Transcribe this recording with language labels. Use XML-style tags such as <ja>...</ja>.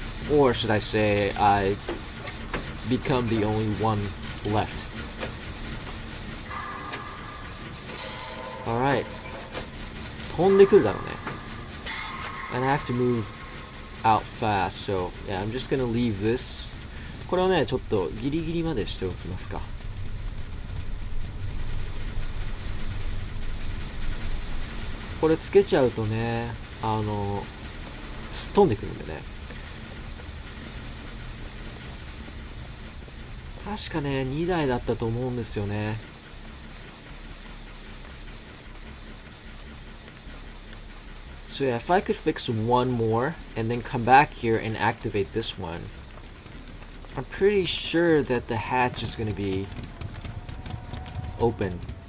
<en>Or should I say, I become the only one left.</en> <ja>Alright. 飛んでくるだろうね。 And I have to move out fast, so yeah, I'm just gonna leave this. これをね、ちょっとギリギリまでしておきますか。これつけちゃうとね、すっ飛んでくるんでね。確かね、2台だったと思うんですよね。</ja> <en>So yeah, if I could fix one more and then come back here and activate this one, I'm pretty sure that the hatch is going to be open.</en>